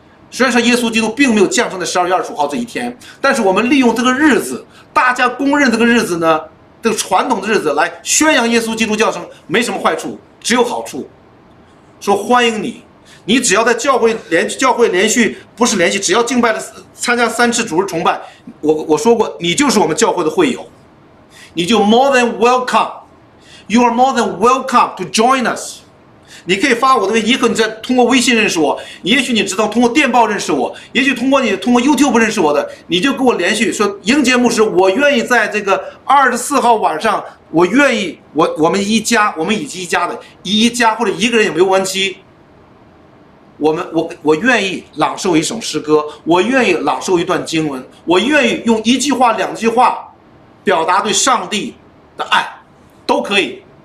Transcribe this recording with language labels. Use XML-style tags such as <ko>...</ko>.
<zh>虽然说耶稣基督并没有降生在12月25号这一天，但是我们利用这个日子，大家公认这个日子呢，这个传统的日子来宣扬耶稣基督降生，没什么坏处，只有好处。说欢迎你，你只要在教会连续只要敬拜了参加3次主日崇拜，我说过，你就是我们教会的会友，你就</zh> <en>more than welcome。 You are more than welcome to join us.</en> <zh>你可以发我的微信，也可以在通过微信认识我，也许你知道通过电报认识我，也许通过 YouTube 认识我的，你就跟我联系说，英杰牧师，我愿意在这个24号晚上，我愿意，我们一家或者一个人也没有问题，我愿意朗诵一首诗歌，我愿意朗诵一段经文，我愿意用一句话两句话表达对上帝的爱，都可以。</zh>